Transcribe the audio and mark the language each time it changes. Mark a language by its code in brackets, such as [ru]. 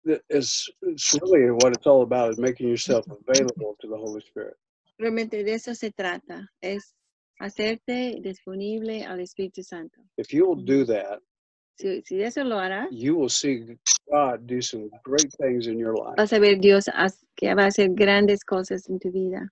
[en] It's really what it's all about, is making yourself available to the Holy Spirit. [es] Realmente de eso se trata, es hacerte disponible al Espíritu Santo. [en] If you will do that, [es] si eso lo harás, [en] you will see God do some great things in your life. [es] Vas a ver Dios que va a hacer grandes cosas en tu vida.